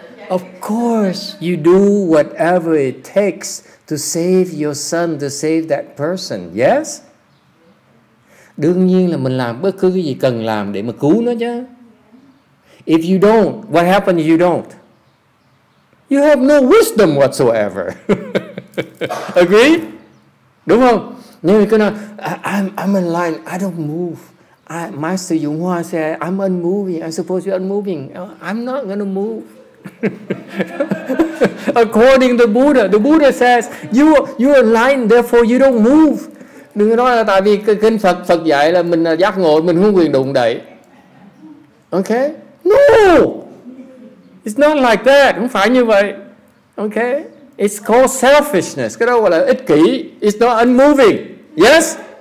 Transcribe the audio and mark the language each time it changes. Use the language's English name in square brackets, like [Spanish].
[English] Of course, you do whatever it takes to save your son, to save that person. Yes? [Vietnamese] Đương nhiên là mình làm bất cứ cái gì cần làm để mà cứu nó chứ. [English] If you don't, what happens if you don't? You have no wisdom whatsoever. Agree? [Vietnamese] Đúng không? Nếu mình cứ nói, [English] I'm in line, I don't move. Master YongHua said, I'm unmoving, I'm supposed to be unmoving. I'm not going to move. According to the Buddha says, you're in line, therefore you don't move. [Vietnamese] Đừng nói là tại vì kinh Phật dạy là mình là giác ngộ, mình không quyền đụng đậy. [English] Okay? No! It's not like that. [Vietnamese] Không phải như vậy. [English] Okay? It's called selfishness. [Vietnamese] Cái đó gọi là ích kỷ. [English] It's not unmoving. Yes?